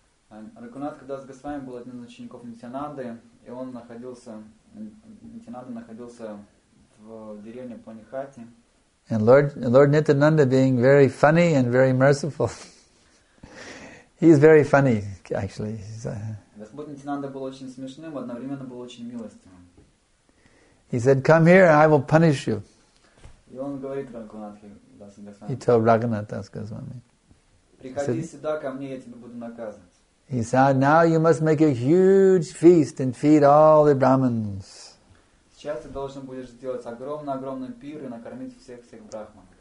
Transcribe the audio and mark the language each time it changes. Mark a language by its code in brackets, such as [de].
[ru] Raghunath Das Goswami был одним из учеников Нитянанды, и он находился, Нитянанда находился в деревне Панихати. [en] And Lord Nityananda, being very funny and very merciful, he's very funny, actually. [ru] Господь Нитянанда был очень смешным, одновременно был очень милостивым. [en] He said, "Come here, and I will punish you." [ru] И он говорит Раганатхе Дас Госвами. [en] He told Raghunath Das Goswami. [ru] Приходи сюда ко мне, я тебя буду наказывать. [en] He said, "Now you must make a huge feast and feed all the Brahmins." [ru] Сейчас ты должен будешь сделать огромный пир и накормить всех брахман.